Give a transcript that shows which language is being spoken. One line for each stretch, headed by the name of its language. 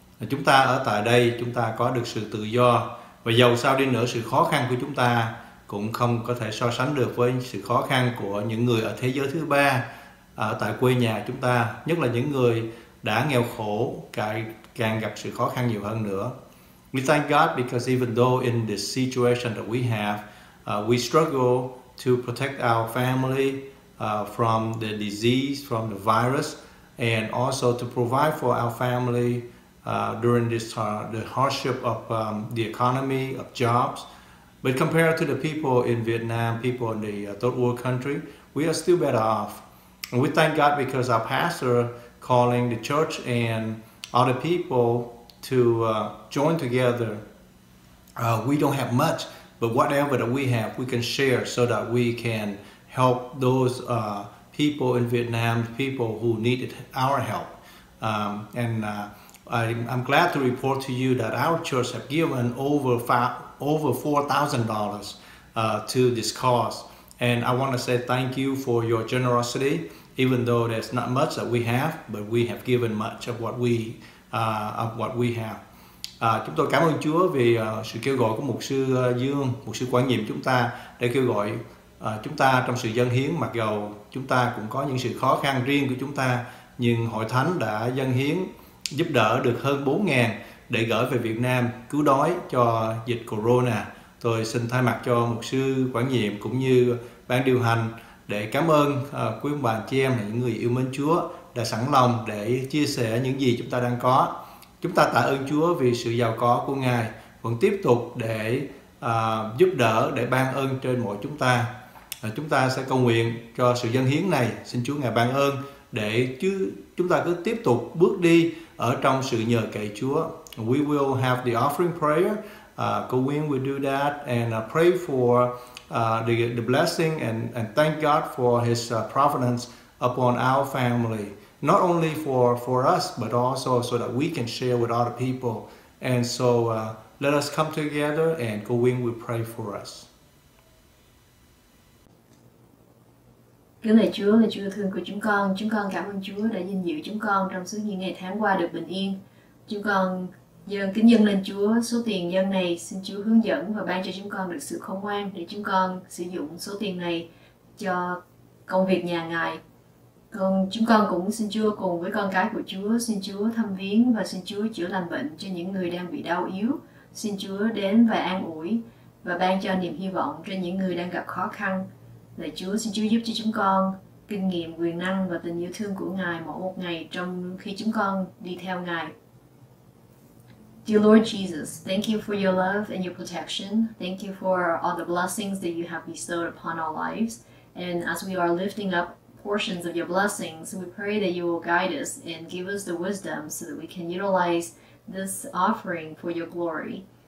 Vietnamese: Chúng ta ở tại đây, chúng ta có được sự tự do. Và dầu sao đi nữa, sự khó khăn của chúng ta cũng không có thể so sánh được với sự khó khăn của những người ở thế giới thứ ba, ở tại quê nhà chúng ta, nhất là những người đã nghèo khổ, càng gặp sự khó khăn nhiều hơn nữa.
English: We thank God because even though in the situation that we have, we struggle to protect our family from the disease, from the virus, and also to provide for our family during this the hardship of the economy, of jobs. But compared to the people in Vietnam, people in the third world country, we are still better off. And we thank God because our pastor calling the church and other people to join together. We don't have much, but whatever that we have, we can share so that we can help those people in Vietnam, people who needed our help. I'm glad to report to you that our church have given over $4,000 to this cause. And I want to say thank you for your generosity. even though there's not much that we have, but we have given much of what we have.
Vietnamese: Chúng tôi cảm ơn Chúa vì sự kêu gọi của mục sư Dương, mục sư quản nhiệm chúng ta để kêu gọi chúng ta trong sự dâng hiến, mặc dầu chúng ta cũng có những sự khó khăn riêng của chúng ta, nhưng hội thánh đã dâng hiến giúp đỡ được hơn 4.000 để gửi về Việt Nam cứu đói cho dịch Corona. Tôi xin thay mặt cho mục sư quản nhiệm cũng như ban điều hành để cảm ơn quý ông bà chị em và những người yêu mến Chúa đã sẵn lòng để chia sẻ những gì chúng ta đang có. Chúng ta tạ ơn Chúa vì sự giàu có của Ngài vẫn tiếp tục để giúp đỡ, để ban ơn trên mọi chúng ta. Chúng ta sẽ cầu nguyện cho sự dâng hiến này, xin Chúa Ngài ban ơn để chúng ta cứ tiếp tục bước đi ở trong sự nhờ cậy Chúa.
English: We will have the offering prayer. Cô Nguyên will do that and pray for the blessing and thank God for His providence upon our family. Not only for us, but also so that we can share with other people. And so let us come together and Cô Nguyên will pray for us.
Vietnamese: Kính lạy Chúa, lạy Chúa thương của chúng con cảm ơn Chúa đã dinh dự chúng con trong suốt những ngày tháng qua được bình yên. Chúng con dâng kính dâng lên Chúa số tiền dâng này, xin Chúa hướng dẫn và ban cho chúng con được sự khôn ngoan để chúng con sử dụng số tiền này cho công việc nhà Ngài. Còn chúng con cũng xin Chúa cùng với con cái của Chúa, xin Chúa thăm viếng và xin Chúa chữa lành bệnh cho những người đang bị đau yếu. Xin Chúa đến và an ủi và ban cho niềm hy vọng cho những người đang gặp khó khăn. Lạy Chúa, xin Chúa giúp cho chúng con kinh nghiệm quyền năng và tình yêu thương của Ngài mỗi một ngày trong khi chúng con đi theo Ngài.
English: Dear Lord Jesus, thank you for your love and your protection. Thank you for all the blessings that you have bestowed upon our lives. And as we are lifting up portions of your blessings, we pray that you will guide us and give us the wisdom so that we can utilize this offering for your glory.